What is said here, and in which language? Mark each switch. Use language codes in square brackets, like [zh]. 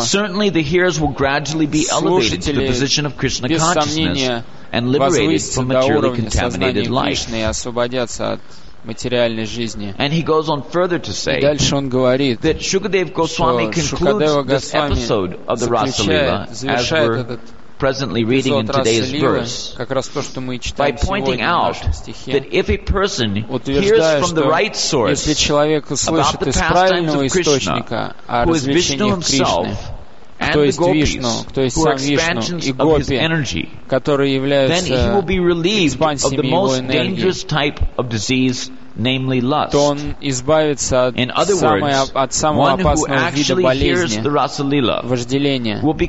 [en] certainly the hearers will gradually be elevated to the position of Krishna consciousness and liberated from materially contaminated life. [ru] И освободятся от материальной жизни. [en] And he goes on further to say, [ru] и дальше он говорит, [en] that Shukadeva Goswami concludes this episode of the Rasa Lila as we're presently reading in today's verse by pointing out that if a person hears from the right source about the pastimes of Krishna, who is Vishnu himself, [ru] то есть Вишну, кто есть сам Вишну и Гопи, [en] energy, [ru] которые являются экспансиями его энергии, то он избавится от, от самого опасного вида болезни, вожделения.